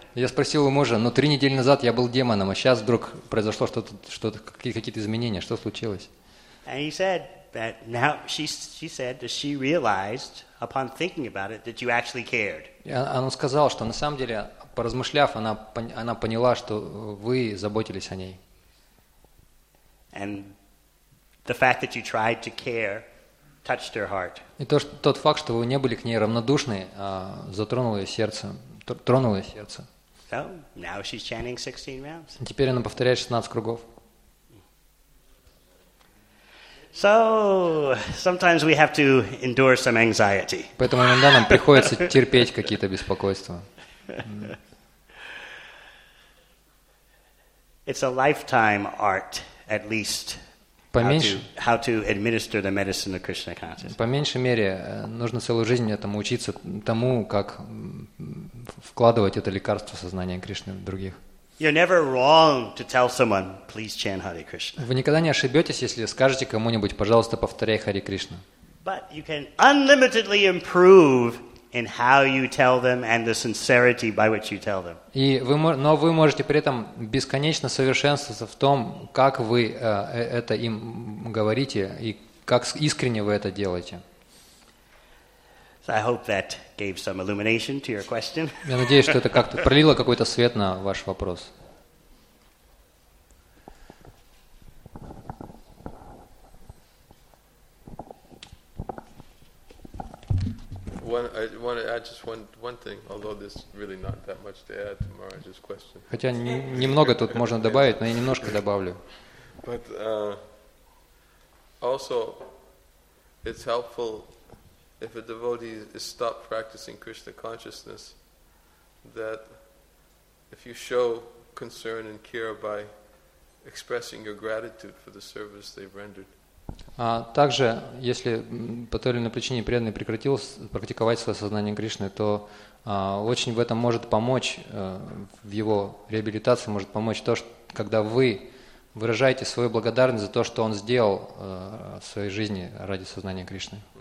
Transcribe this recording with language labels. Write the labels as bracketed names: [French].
[Russian] Я спросил у мужа: ну, 3 недели назад я был демоном, а сейчас вдруг произошло что-то, какие-то изменения. Что случилось? [English] And he said that now she said that she realized upon thinking about it that you actually cared. [Russian] Она сказала, что на самом деле, поразмышляв, она поняла, что вы заботились о ней. [English] And the fact that you tried to care touched her heart. [Russian] И тот факт, что вы не были к ней равнодушны, затронул ее сердце. Тронуло ее сердце. [English] So now she's chanting 16 rounds. [Russian] Теперь она повторяет 16 кругов. [English] So sometimes we have to endure some anxiety. [Russian] Поэтому иногда нам приходится терпеть какие-то беспокойства. [English] It's a lifetime art. At least how to administer the medicine of Krishna consciousness. [Russian] По меньшей мере, нужно целую жизнь этому учиться тому, как вкладывать это лекарство в сознание Кришны в других. [English] You're never wrong to tell someone, please chant Hare Krishna. [Russian] Вы никогда не ошибетесь, если скажете кому-нибудь, пожалуйста, повторяй Хари Кришна. [English] But you can unlimitedly improve in how you tell them and the sincerity by which you tell them. [Russian] Но вы можете при этом бесконечно совершенствоваться в том, как вы это им говорите и как искренне вы это делаете. [English] So I hope that gave some illumination to your question. [Russian] Я надеюсь, что это как-то пролило какой-то свет на ваш вопрос. [English] I just want one thing, although there's really not that much to add to Maharaj's question. [Russian] Хотя немного тут можно добавить, но я немножко добавлю. [English] But also, it's helpful if a devotee is stopped practicing Krishna consciousness, that if you show concern and care by expressing your gratitude for the service they've rendered. [Russian] А также, если по той или иной причине преданный прекратил практиковать свое сознание Кришны, то очень в этом может помочь, в его реабилитации может помочь то, что, когда вы выражаете свою благодарность за то, что он сделал в своей жизни ради сознания Кришны.